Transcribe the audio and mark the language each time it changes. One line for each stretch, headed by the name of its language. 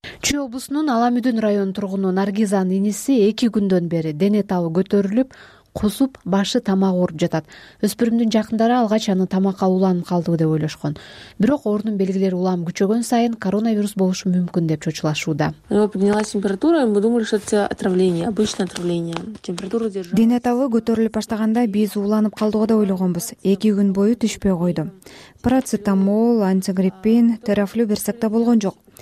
Kyrgyz: Чүй облусунун Аламүдүн районунун тургуну Наргизан иниси 2 күндөн бери дене табы көтөрүлүп, кусуп башы тамак ооруп жатат. Өспүрүмдүн жакындары алгач аны тамакка уланып калдыбы деп ойлошкон. Бирок оорунун белгилери улам күчөгөн сайын коронавирус болушу мүмкүн деп чочулашууда.
Russian: Поднялась температура, мы думали, что это отравление, обычное отравление. Температура держалась.
Kyrgyz: Дене табы көтөрүлүп баштаганда биз уланып калдыбы деп ойлогонбуз. 2 күн бою түшпөй койду. Парацетамол, антигриппин, терафлю берсекте болгон жок.